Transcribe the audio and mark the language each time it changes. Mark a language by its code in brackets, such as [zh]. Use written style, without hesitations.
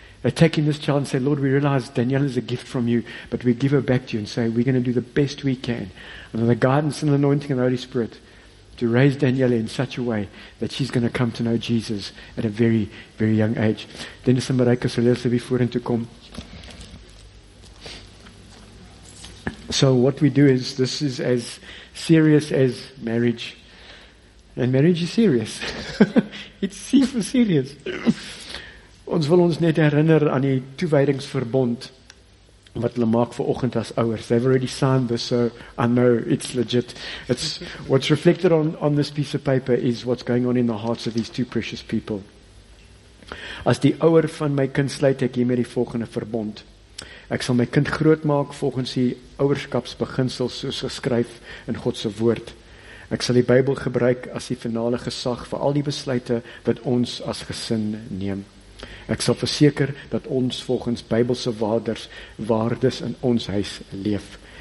[en] They're taking this child and say, "Lord, we realize Daniela is a gift from you, but we give her back to you and say, we're going to do the best we can under the guidance and anointing of the Holy Spirit to raise Daniela in such a way that she's going to come to know Jesus at a very, very young age." Dennis and Marika, so let's be forward to come. So what we do is, this is as serious as marriage. And marriage is serious. It's super serious. [af] Ons wil ons net herinner aan die toewijdingsverbond wat hulle maak vir oggend as ouers. [en] They've already signed this, so I know it's legit. It's what's reflected on this piece of paper is what's going on in the hearts of these two precious people. [af] As die ouer van my kind sluit ek hiermee die volgende verbond. Ek sal my kind groot maak volgens die ouerskapsbeginsels soos geskryf in God se woord. Ek sal die Bybel gebruik as die finale gesag vir al die besluite wat ons as gesin neem. Ek sal verseker dat ons volgens Bybelse waardes in ons huis leef.